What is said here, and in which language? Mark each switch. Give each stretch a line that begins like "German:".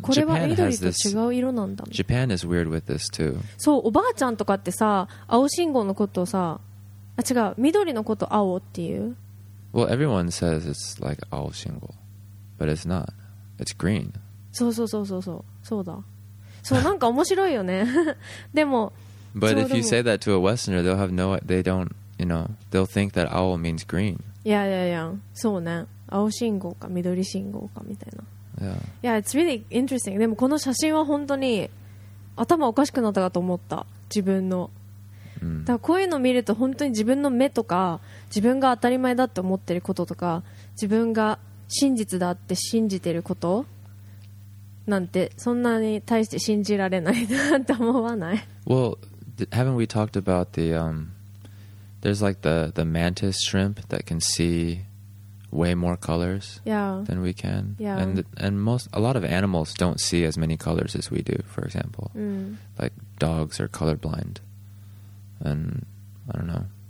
Japanese: これは緑と違う色なんだ
English: Japan is weird with this too.
Japanese: そうおばあちゃんとかってさ青信号のことをさあ違う緑のこと青っていう
English: Well everyone says it's like 青信号 But it's not It's green
Japanese: そうそうそうそうそうそうだそうなんか面白いよねでも
English: But if you say that to a westerner They'll have no They don't You know They'll think that 青 means green Yeah yeah yeah
Japanese: そうね青信号か緑信号かみたいな
English: Yeah Yeah it's really interesting
Japanese: でもこの写真は本当に頭おかしくなったかと思った自分のだからこういうのを見ると本当に自分の目とか自分が当たり前だって思ってることとか自分が真実だって信じてることなんてそんなに大して信じられないなって思わない
English: Well, haven't we talked about the there's like the mantis shrimp that can see way more colors yeah. than we can yeah. and most a lot of animals don't see as many colors as we do for example、 mm. like dogs are colorblindAnd I don't know.